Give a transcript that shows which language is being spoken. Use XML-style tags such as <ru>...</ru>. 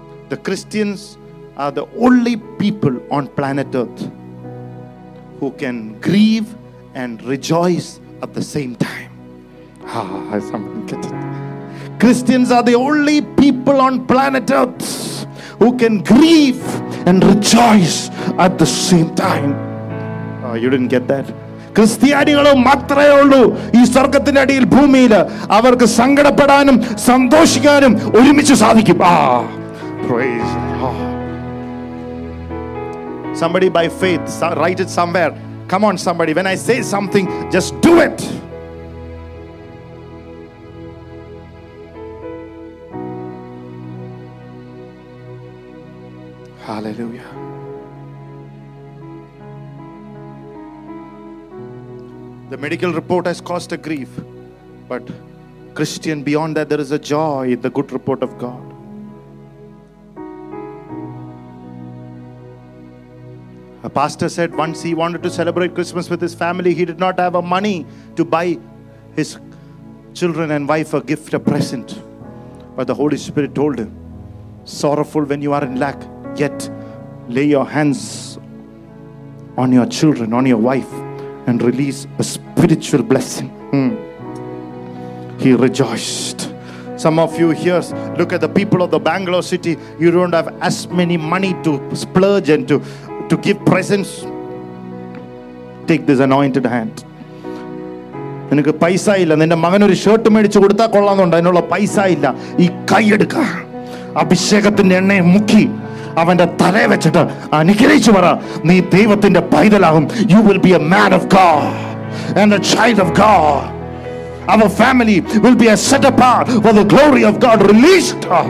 <en>The Christians are the only people on planet Earth who can grieve and rejoice at the same time. Ah, someone get it. Christians are the only people on planet Earth who can grieve and rejoice at the same time. Oh, you didn't get that.</en> <ml>ക്രിസ്ത്യാനികളോ മാത്രമേ ഉള്ളൂ ഈ സ്വർഗത്തിന്റെ അടിയിൽ ഭൂമിയിൽ അവർക്ക് സങ്കടപ്പെടാനും സന്തോഷിക്കാനും ഒരുമിച്ച് സാധിക്കും.</ml> <en>ആ praise somebody by faith write it somewhere come on somebody when I say something just do it Hallelujah. The medical report has caused a grief, but Christian, beyond that, there is a joy in the good report of God. A pastor said once he wanted to celebrate Christmas with his family. He did not have a money to buy his children and wife a gift, a present. But the Holy Spirit told him, sorrowful when you are in lack, yet lay your hands on your children, on your wife, and release a spiritual blessing. He rejoiced. Some of you here, look at the people of the Bangalore city. You don't have as many money to splurge and to give presents. Take this anointed hand.</en> <ml>നിനക്ക് പൈസ ഇല്ല, നിന്റെ മകൻ ഒരു shirt മേടിച്ചു കൊടുത്താൽ കൊള്ളാന്നുണ്ട്, അതിനുള്ള പൈസ ഇല്ല. ഈ കൈയെടുക്ക, അഭിഷേകത്തിന്റെ എണ്ണയെ മുക്കി അവന്റെ തലയെ വെച്ചിട്ട് അനുഗ്രഹിച്ചു പറ. നീ ദൈവത്തിന്റെ പൈതലാകും.</ml> <en>You will be a man of God and a child of God. Our family will be a set apart for the glory of God. Released.</en>